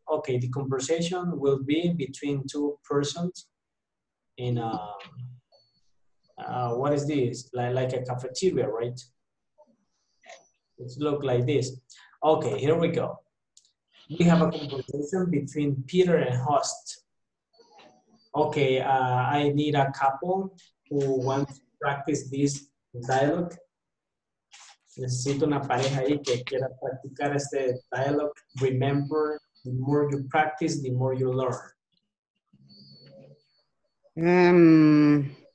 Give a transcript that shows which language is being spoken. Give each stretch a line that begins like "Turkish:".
English: Okay, the conversation will be between two persons in a what is this, like a cafeteria, right? It looks like this. Okay, here we go. We have a conversation between Peter and host. Okay, I need a couple who want to practice this dialogue.
Spanish: Necesito una pareja ahí que quiera practicar este dialogue.
English: Remember, the more you practice, the more you learn.